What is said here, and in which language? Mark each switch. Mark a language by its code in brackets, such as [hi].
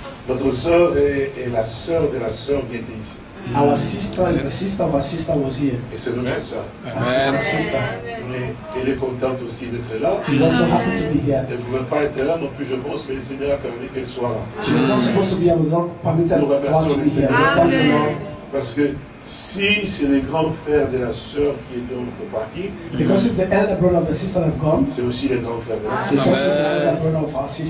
[fr] Notre sœur est la sœur de la sœur qui était ici. [en] Our sister is the sister of our sister was here. [fr] Et c'est notre sœur. [en] Amen. Sister. [fr] Elle est contente aussi d'être là. [en] She's also happy to be here. [fr] Elle ne pouvait pas être là non plus, je pense, mais le Seigneur a permis qu'elle soit là. [en] She was not supposed to be here, but the Lord permitted her to be here. Amen. [fr] Parce que si c'est le grand frère de la sœur qui est donc parti, [en] because if the elder brother of the sister have gone, [fr] c'est aussi le grand frère de la sœur. [en] It's also the elder brother of our sister.